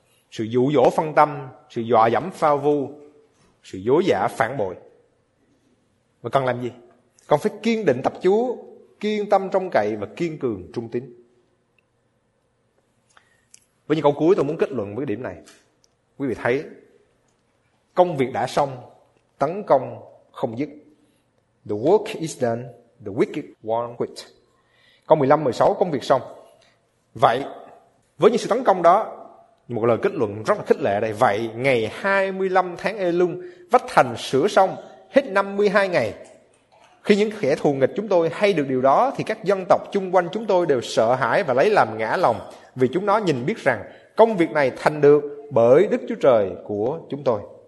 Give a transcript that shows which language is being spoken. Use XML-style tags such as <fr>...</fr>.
<vi>Sự dụ dỗ phân tâm, sự dọa dẫm phao vu, sự dối giả phản bội. Mà cần làm gì? Con phải kiên định tập Chúa, kiên tâm trông cậy và kiên cường trung tín. Với những câu cuối tôi muốn kết luận với cái điểm này. Quý vị thấy, công việc đã xong, tấn công không dứt.</vi> <en>The work is done, the wicked won't quit.</en> <vi>Câu 15-16, công việc xong. Vậy, với những sự tấn công đó, một lời kết luận rất là khích lệ đây. Vậy, ngày 25 tháng Elul, vách thành sửa xong, hết 52 ngày. Khi những kẻ thù nghịch chúng tôi hay được điều đó, thì các dân tộc chung quanh chúng tôi đều sợ hãi và lấy làm ngã lòng, vì chúng nó nhìn biết rằng công việc này thành được bởi Đức Chúa Trời của chúng tôi.</vi>